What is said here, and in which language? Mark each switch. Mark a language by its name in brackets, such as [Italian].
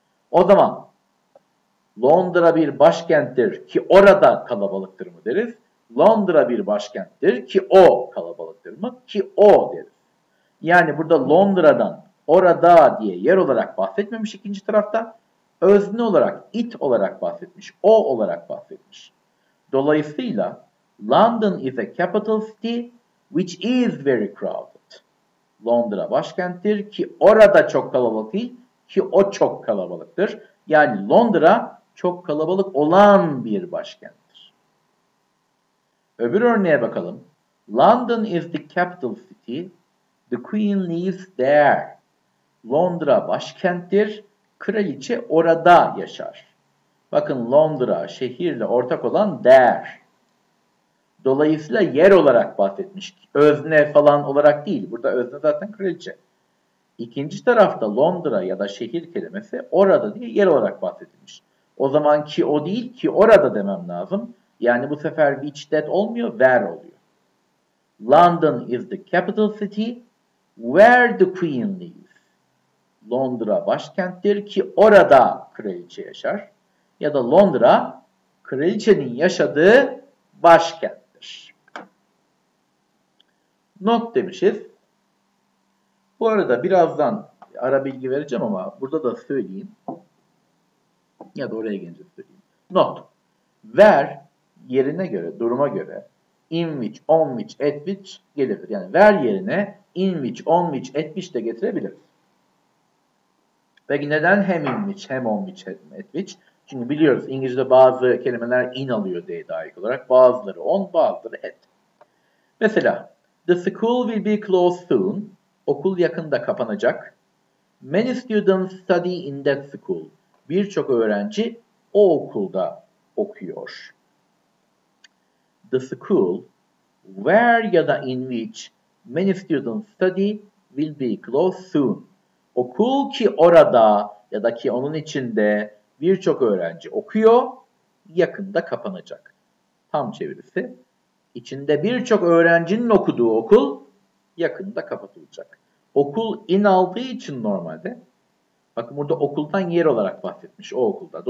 [Turkish] O zaman Londra bir başkenttir ki orada kalabalıktır mı deriz. Londra bir başkenttir ki o kalabalıktır mı ki o deriz. Yani burada Londra'dan orada diye yer olarak bahsetmemiş ikinci tarafta. Özne olarak, it olarak bahsetmiş, o olarak bahsetmiş. Dolayısıyla [English] London is a capital city which is very crowded. [Turkish] Londra başkenttir ki orada çok kalabalık değil ki o çok kalabalıktır. Yani Londra çok kalabalık olan bir başkenttir. Öbür örneğe bakalım. [English] London is the capital city. The Queen lives there. [Turkish] Londra başkenttir. Kraliçe orada yaşar. Bakın Londra şehirle ortak olan there. Dolayısıyla yer olarak bahsetmiş. Özne falan olarak değil. Burada özne zaten kraliçe. İkinci tarafta Londra ya da şehir kelimesi orada diye yer olarak bahsetmiş. O zaman ki o değil ki orada demem lazım. Yani bu sefer which that olmuyor, where oluyor. [English] London is the capital city where the queen lives. [Turkish] Londra başkenttir ki orada kraliçe yaşar. Ya da Londra kraliçenin yaşadığı başkenttir. Not demişiz. Bu arada birazdan ara bilgi vereceğim ama burada da söyleyeyim. Ya da oraya gelince söyleyeyim. Not. Where yerine göre, duruma göre in which, on which, at which gelir. Yani where yerine in which, on which, at which de getirebilir. Peki neden hem in which, hem on which, hem at which? Çünkü biliyoruz İngilizce'de bazı kelimeler in alıyor diye dair olarak. Bazıları on, bazıları at. Mesela [English] the school will be closed soon. [Turkish] Okul yakında kapanacak. [English] Many students study in that school. [Turkish] Birçok öğrenci o okulda okuyor. [English] The school where [Turkish] ya da [English] in which many students study will be closed soon. [Turkish] Okul ki orada ya da ki onun içinde birçok öğrenci okuyor, yakında kapanacak. Tam çevirisi, içinde birçok öğrencinin okuduğu okul yakında kapatılacak. Okul in aldığı için normalde, bakın burada okuldan yer olarak bahsetmiş o okulda.